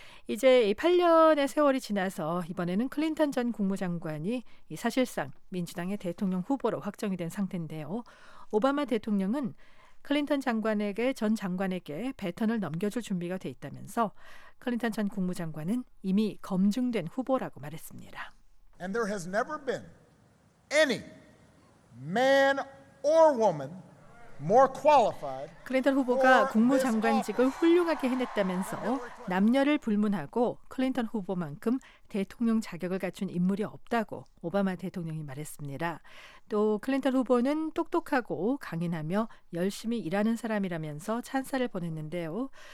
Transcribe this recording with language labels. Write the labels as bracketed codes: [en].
[ko] 이제 8년의 세월이 지나서 이번에는 클린턴 전 국무장관이 사실상 민주당의 대통령 후보로 확정이 된 상태인데요. 오바마 대통령은 클린턴 장관에게 전 장관에게 배턴을 넘겨줄 준비가 돼 있다면서 클린턴 전 국무장관은 이미 검증된 후보라고 말했습니다. [en] And there has never been any man or woman more qualified. [ko] 클린턴 후보가 국무장관직을 훌륭하게 해냈다면서 남녀를 불문하고 클린턴 후보만큼 대통령 자격을 갖춘 인물이 없다고 오바마 대통령이 말했습니다. 또 클린턴 후보는 똑똑하고 강인하며 열심히 일하는 사람이라면서 찬사를 보냈는데요.